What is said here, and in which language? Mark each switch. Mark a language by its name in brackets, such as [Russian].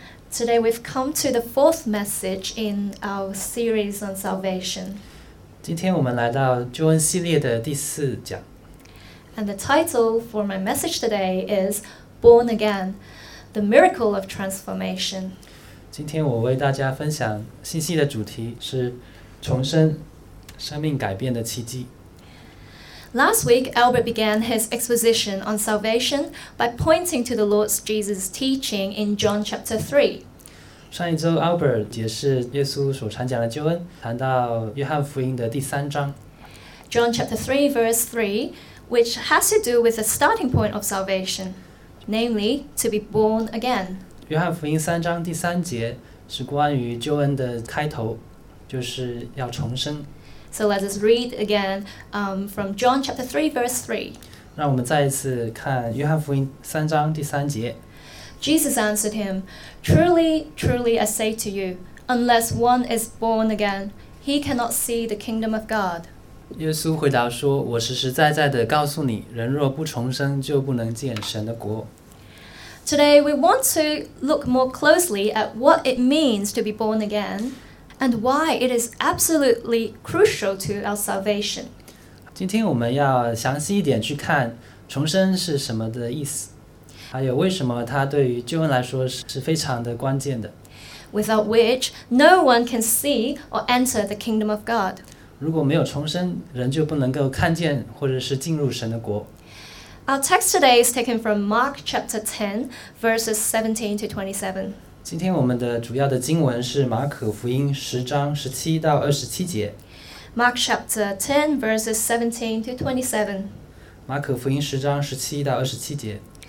[English] Today we've come to the fourth message in our series on salvation. [Chinese] 今天我们来到救恩系列的第四讲。 [English] And the title for my message today is Born Again, the Miracle of Transformation. [Chinese] 今天我为大家分享信息的主题是重生，生命改变的奇迹。 [English] Last week, Albert began his exposition on salvation by pointing to the Lord Jesus' teaching in John chapter 3. [Chinese] 上一周 Albert 解释耶稣所传讲的救恩，谈到约翰福音的第三章。 [English] John chapter 3 verse 3, which has to do with the starting point of salvation, namely, to be born again. [Chinese] 约翰福音三章第三节是关于救恩的开头，就是要重生。 [English] So let us read again from John chapter 3, verse 3. [Chinese] 让我们再一次看约翰福音三章第三节。 [English] Jesus answered him, Truly, truly, I say to you, unless one is born again, he cannot see the kingdom of God. [Chinese] 耶稣回答说，我实实在在地告诉你，人若不重生，就不能见神的国。 [English] Today, we want to look more closely at what it means to be born again. And why it is absolutely crucial to our salvation. [Chinese] 今天我们要详细一点去看重生是什么的意思，还有为什么它对于救恩来说是非常的关键的。 [English] Without which, no one can see or enter the kingdom of God. [Chinese] 如果没有重生，人就不能够看见或者是进入神的国。 [English] Our text today is taken from Mark chapter 10, verses 17 to 27. [Chinese] 今天我们的主要的经文是马可福音十章十七到二十七节。 [English] Mark chapter 10 verses 17 to 27. [Chinese] 马可福音十章十七到二十七节。